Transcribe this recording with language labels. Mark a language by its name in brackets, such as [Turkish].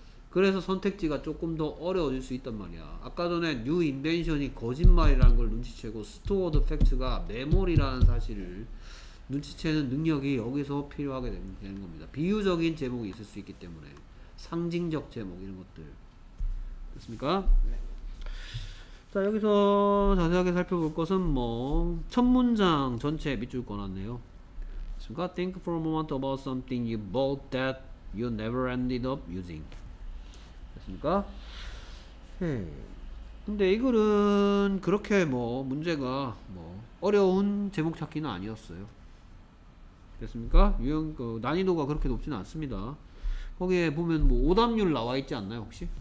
[Korean] 그래서 선택지가 조금 더 어려워질 수 있단 말이야. 아까 전에 뉴 인벤션이 거짓말이라는 걸 눈치채고 스토어드 팩트가 메모리라는 사실을 눈치채는 능력이 여기서 필요하게 되는 겁니다. 비유적인 제목이 있을 수 있기 때문에. 상징적 제목 이런 것들. 됐습니까? 네. 자, 여기서 자세하게 살펴볼 것은 뭐 첫 문장 전체 밑줄 꺼놨네요. 됐습니까? [English] Think for a moment about something you bought that you never ended up using. [Korean] 됐습니까? 근데 이 글은 그렇게 뭐 문제가 뭐 어려운 제목 찾기는 아니었어요. 됐습니까? 유형 그 난이도가 그렇게 높지는 않습니다. 거기에 보면 뭐 오답률 나와 있지 않나요 혹시?